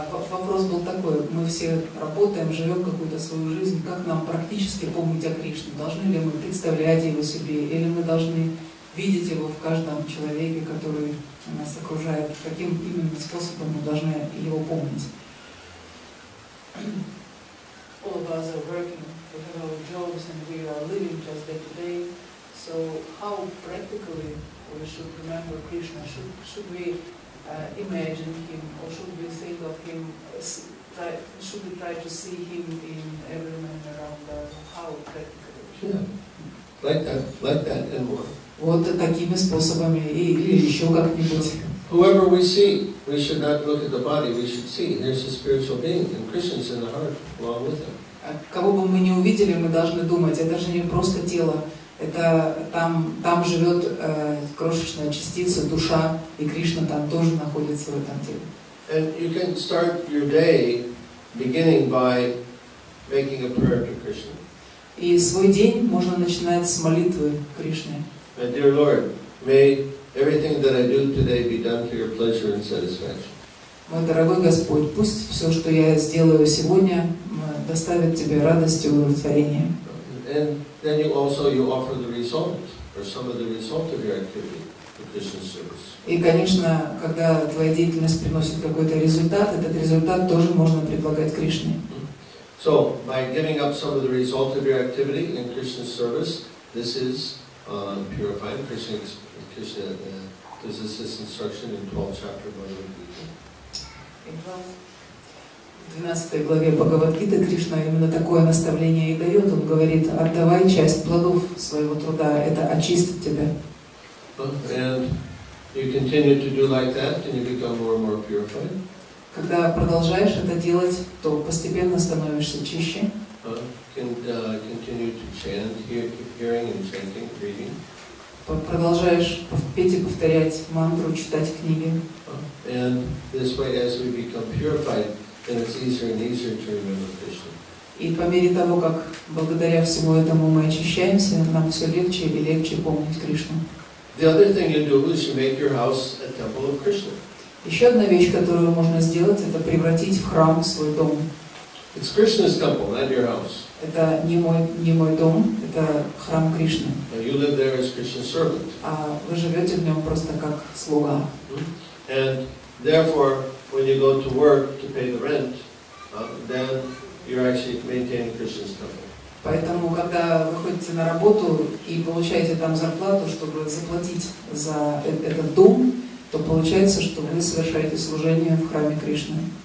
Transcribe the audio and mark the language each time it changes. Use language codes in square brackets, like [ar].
[ru] Вопрос был такой, мы все работаем, живем какую-то свою жизнь, как нам практически помнить о Кришне? Должны ли мы представлять его себе, или мы должны видеть его в каждом человеке, который нас окружает? Каким именно способом мы должны его помнить? [en] All of us are working, we have our jobs and we are living just day to day. So how practically we should remember Krishna? Should we imagine him, or should we think of him, should we try to see him in every man around us? How practically? Yeah, like that and more. [ru] Вот такими способами или еще как-нибудь. [en] Whoever we see, we should not look at the body, we should see. There's a spiritual being, and Krishna's in the heart along with him. [ru] Кого бы мы ни увидели, мы должны думать, это же не просто тело. Это там живет крошечная частица, душа, и Кришна там тоже находится в этом теле. [en] And you can start your day beginning by making a prayer to Krishna. [ru] И свой день можно начинать с молитвы Кришне. [en] And dear Lord, may everything that I do today be done for your pleasure and satisfaction. [ru] Мой дорогой Господь, пусть все, что я сделаю сегодня, доставит тебе радость и удовлетворение. [en] And then you offer the result, or some of the result of your activity, to Krishna service. [ru] И, конечно, когда твоя деятельность приносит какой-то результат, этот результат тоже можно предлагать Кришне. [en] So, by giving up some of the result of your activity in Krishna service, this is purifying Krishna, this is this instruction in 12th chapter of Bhagavad Gita. [ru] В 12 главе Бхагавад-гиты Кришна именно такое наставление и дает. Он говорит, отдавай часть плодов своего труда, это очистит тебя. [en] And you continue to do like that, and you become more and more purified. [ru] Когда продолжаешь это делать, то постепенно становишься чище. [en] Continue to chant, hearing and chanting, reading. [ru] Продолжаешь петь и повторять мантру, читать книги. [en] And this way, as we become purified, then it's easier and easier to remember Krishna. [ru] И по мере того, как благодаря всему этому мы очищаемся, нам все легче и легче помнить Кришну. [en] The other thing you do is you make your house a temple of Krishna. [ru] Еще одна вещь, которую можно сделать, это превратить в храм свой дом. [en] It's Krishna's temple, not your house. [ru] Это не мой дом, это храм Кришны. [en] But you live there as Krishna's servant. [ru] А вы живете в нем просто как слуга. [en] And therefore, when you go to work to pay the rent, then you're actually maintaining Krishna's temple. [ru] Поэтому, когда вы ходите на работу и получаете там зарплату, чтобы заплатить за этот дом, то получается, что вы совершаете служение в храме Кришны.